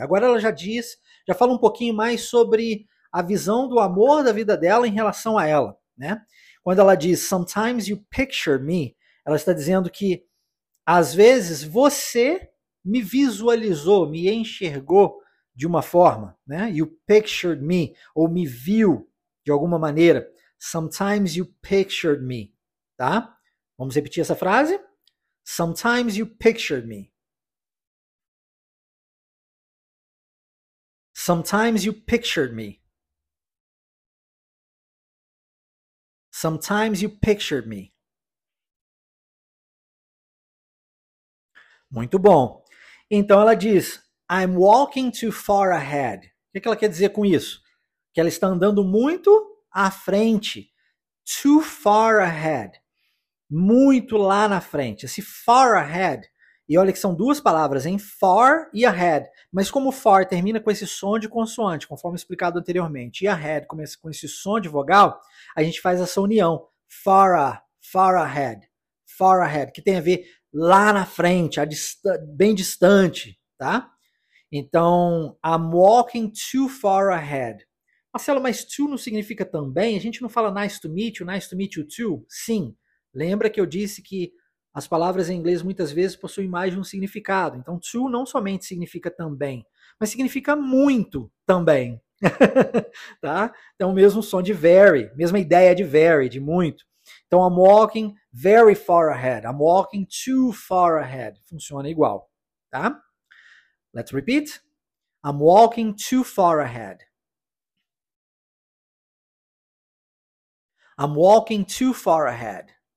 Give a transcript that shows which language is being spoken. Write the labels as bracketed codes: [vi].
[pt] Agora ela já diz, já fala um pouquinho mais sobre a visão do amor da vida dela em relação a ela, né? Quando ela diz [en] Sometimes you picture me, [pt] ela está dizendo que às vezes você me visualizou, me enxergou de uma forma, né? [en] You pictured me, [pt] ou me viu de alguma maneira. [en] Sometimes you pictured me, [pt] tá? Vamos repetir essa frase? [en] Sometimes you pictured me. Sometimes you pictured me. Sometimes you pictured me. [pt] Muito bom. Então ela diz, [en] I'm walking too far ahead. [pt] O que ela quer dizer com isso? Que ela está andando muito à frente. [en] Too far ahead. [pt] Muito lá na frente. Esse far ahead. E olha que são duas palavras, hein? Far e ahead. Mas como far termina com esse som de consoante, conforme explicado anteriormente, e ahead começa com esse som de vogal, a gente faz essa união. [en] Far, far ahead. Far ahead. [pt] Que tem a ver lá na frente, bem distante, tá? [en] Então, I'm walking too far ahead. [pt] Marcelo, mas too não significa também? A gente não fala [en] nice to meet you too? [pt] Sim. Lembra que eu disse que as palavras em inglês muitas vezes possuem mais de um significado. Então, too não somente significa também, mas significa muito também. Tá? Então, o mesmo som de very, mesma ideia de very, de muito. [en] Então, I'm walking very far ahead. I'm walking too far ahead. [pt] Funciona igual, tá? [en] Let's repeat. I'm walking too far ahead. I'm walking too far ahead.